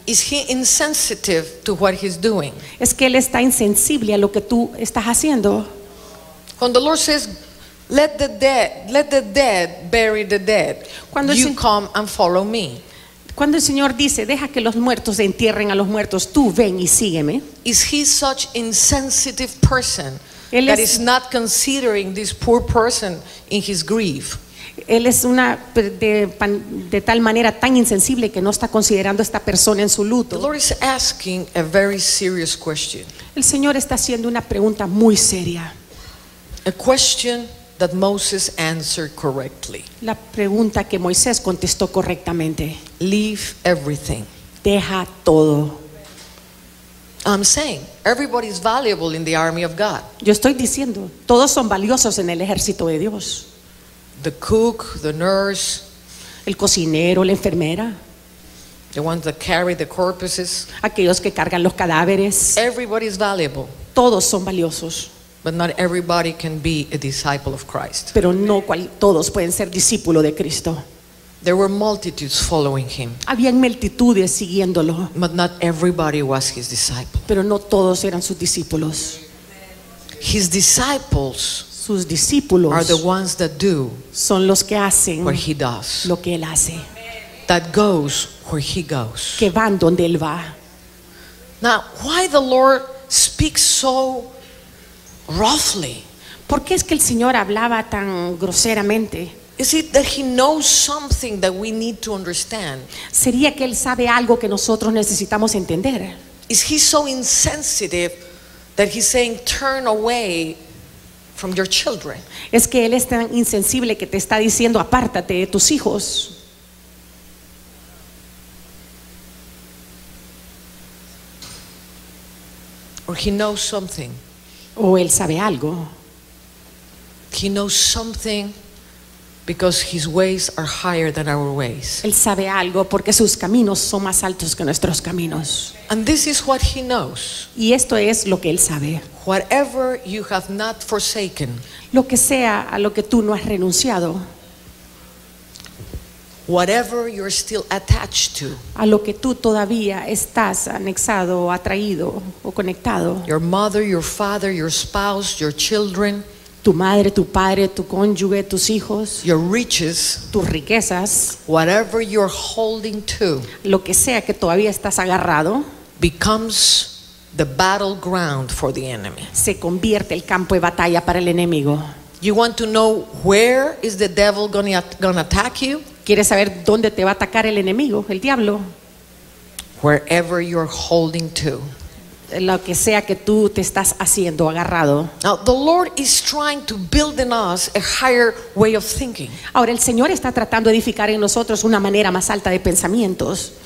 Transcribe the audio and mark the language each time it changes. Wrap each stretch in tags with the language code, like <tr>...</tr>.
<en>is he insensitive to what he's doing?</en> <es>¿Es que él está insensible a lo que tú estás haciendo?</es> <en>When the Lord says, Let the dead bury the dead. You come and follow me.</en> <es>Cuando el Señor dice, deja que los muertos entierren a los muertos, tú ven y sígueme.</es> <en>Is he such insensitive person that is not considering this poor person in his grief?</en> <es>Él es una de tal manera tan insensible que no está considerando a esta persona en su luto.</es> <en>The Lord is asking a very serious question.</en> <es>El Señor está haciendo una pregunta muy seria.</es> <en>A question that Moses answered correctly.</en> <es>La pregunta que Moisés contestó correctamente.</es> <en>Leave everything.</en> <es>Deja todo.</es> <en>I'm saying everybody is valuable in the army of God.</en> <es>Yo estoy diciendo, todos son valiosos en el ejército de Dios.</es> <en>The cook, the nurse,</en> <es>el cocinero, la enfermera.</es> <en>The ones that carry the corpses.</en> <es>Aquellos que cargan los cadáveres.</es> <en>Everybody is valuable.</en> <es>Todos son valiosos.</es> <en>But not everybody can be a disciple of Christ.</en> <es>Pero no todos pueden ser discípulo de Cristo.</es> <en>There were multitudes following him.</en> <es>Habían multitudes siguiéndolo.</es> <en>But not everybody was his disciple.</en> <es>Pero no todos eran sus discípulos.</es> <en>His disciples,</en> <es>sus discípulos,</es> <en>are the ones that do,</en> <es>son los que hacen</es> <en>what he does,</en> <es>lo que él hace.</es> <en>That goes where he goes.</en> <es>Que van donde él va.</es> <en>Now, why the Lord speaks so roughly?</en> <es>¿Por qué es que el Señor hablaba tan groseramente?</es> <en>Is it that he knows something that we need to understand?</en> <es>¿Sería que él sabe algo que nosotros necesitamos entender?</es> <en>Is he so insensitive that he's saying turn away from your children?</en> <es>¿Es que él es tan insensible que te está diciendo apártate de tus hijos?</es> <en>Or he knows something.</en> <es>O él sabe algo.</es> <en>He knows something because his ways are higher than our ways.</en> <es>Él sabe algo porque sus caminos son más altos que nuestros caminos.</es> <en>And this is what he knows.</en> <es>Y esto es lo que él sabe.</es> <en>Whatever you have not forsaken.</en> <es>Lo que sea a lo que tú no has renunciado.</es> <en>Whatever you're still attached to.</en> <es>A lo que tú todavía estás anexado, atraído o conectado.</es> <en>Your mother, your father, your spouse, your children.</en> <es>Tu madre, tu padre, tu cónyuge, tus hijos.</es> <en>Your riches.</en> <es>Tus riquezas.</es> <en>Whatever you're holding to.</en> <es>Lo que sea que todavía estás agarrado.</es> <en>Becomes the battleground for the enemy.</en> <es>Se convierte el campo de batalla para el enemigo.</es> <en>You want to know where is the devil gonna attack you?</en> <es>¿Quieres saber dónde te va a atacar el enemigo, el diablo?</es> <en>Wherever you're holding to.</en> <es>Lo que sea que tú te estás haciendo agarrado.</es> <en>Now, the Lord is trying to build in us a higher way of thinking.</en> <es>Ahora el Señor está tratando de edificar en nosotros una manera más alta de pensamientos.</es>